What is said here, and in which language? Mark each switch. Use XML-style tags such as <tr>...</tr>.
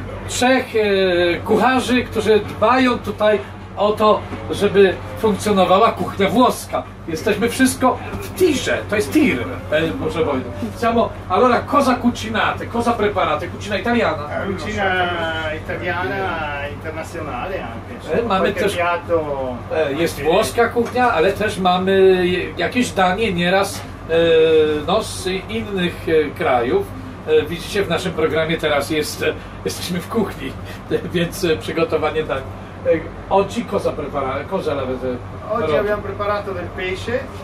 <pl>Trzech kucharzy, którzy dbają tutaj o to, żeby funkcjonowała kuchnia włoska. Jesteśmy wszystko w tirze. To jest tir, proszę Wojtek.</pl> <it>Siamo, allora, cosa cucinate? Cosa preparate? Cucina italiana? Cucina italiana, internazionale anche.</it> <pl>Mamy też... piatto, jest włoska kuchnia, ale też mamy jakieś danie nieraz no, z innych krajów. Widzicie, w naszym programie teraz jesteśmy w kuchni, więc przygotowanie dań.</pl> <it>Oggi cosa prepara? Cosa l'avete? Oggi abbiamo preparato del pesce.</it>